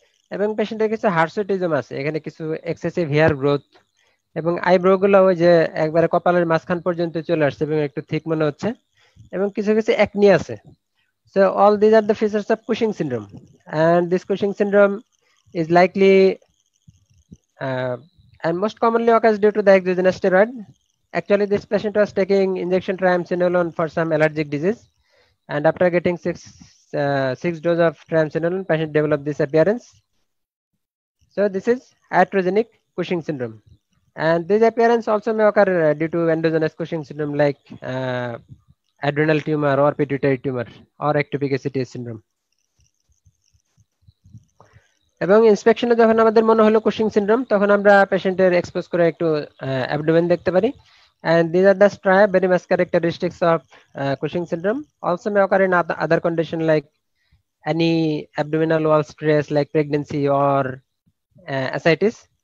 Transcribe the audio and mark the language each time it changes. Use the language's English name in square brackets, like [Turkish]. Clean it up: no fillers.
[Bangla] এবং পেশেন্টের কিছু হার্সুটিজম আছে, এখানে কিছু এক্সেসিভ হেয়ার গ্রোথ, এবং আইব্রো গুলো ওই যে একবারে কপালের মাঝখান পর্যন্ত চলে আসছে এবং একটু থিক মনে হচ্ছে, এবং কিছু কিছু একনি আছে। [English] So all these are the features of Cushing syndrome, and this Cushing syndrome is likely and most commonly occurs due to the exogenous steroid. Actually, this patient was taking injection triamcinolone for some allergic disease, and after getting six dose of triamcinolone, patient developed this appearance. So this is iatrogenic Cushing syndrome, and this appearance also may occur due to endogenous Cushing syndrome like adrenal tumor or pituitary tumor or ectopic acidosis syndrome. [Bangla] এবং ইন্সপেকশনে যখন আমাদের মনে হলো Cushing syndrome, তখন আমরা পেশেন্টের expose করে একটু অ্যাবডোমেন দেখতে পারি। [English] And these are the striae, very much characteristics of Cushing syndrome. Also may occur in other condition like any abdominal wall stress like pregnancy or ascites.